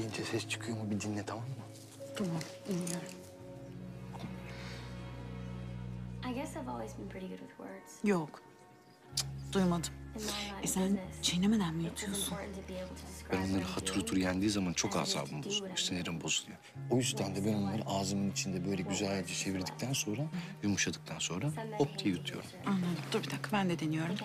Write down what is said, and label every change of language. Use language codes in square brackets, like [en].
[tr] Ses çıkıyor mu bir dinle, tamam mı? Tamam, dinliyorum. [en] I guess I've always been pretty good with words. [tr] Yok. Duymadım. Sen çiğnemeden mi yatıyorsun? Ben onları hatır otur yendiği zaman çok asabım bozuluyor, sinirim bozuluyor. O yüzden de ben onları ağzımın içinde böyle güzelce çevirdikten sonra, yumuşadıktan sonra hop diye yutuyorum. Anladım. Dur bir dakika, ben de deniyorum.